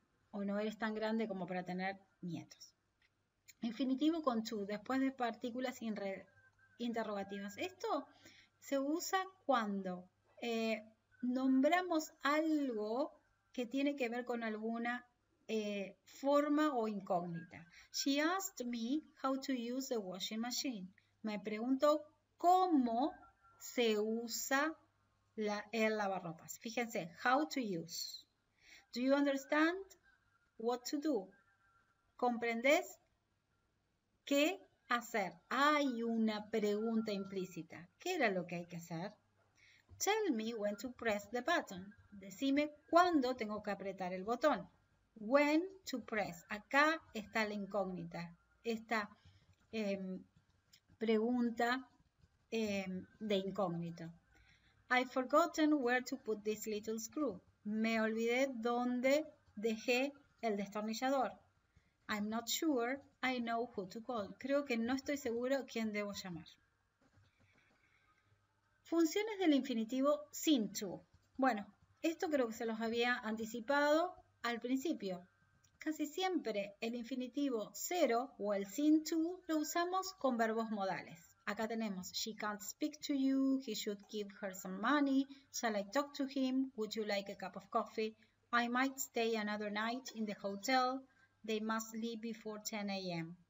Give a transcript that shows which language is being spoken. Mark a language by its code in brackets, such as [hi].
[es] O no eres tan grande como para tener nietos. Infinitivo con to, después de partículas interrogativas. Esto se usa cuando nombramos algo que tiene que ver con alguna forma o incógnita. [en] She asked me how to use the washing machine. [es] Me preguntó cómo se usa el lavarropas. Fíjense, [en] how to use. Do you understand what to do? [es] ¿Comprendés qué hacer? Hay una pregunta implícita. ¿Qué era lo que hay que hacer? [en] Tell me when to press the button. [es] Decime cuándo tengo que apretar el botón. [en] When to press. [es] Acá está la incógnita, esta pregunta de incógnito. [en] I've forgotten where to put this little screw. [es] Me olvidé dónde dejé el destornillador. [en] I'm not sure I know who to call. [es] Creo que no estoy seguro quién debo llamar. Funciones del infinitivo sin to. Bueno, esto creo que se los había anticipado al principio. Casi siempre el infinitivo cero o el sin to lo usamos con verbos modales. Acá tenemos, [en] she can't speak to you, he should give her some money, shall I talk to him, would you like a cup of coffee, I might stay another night in the hotel, they must leave before 10 a.m.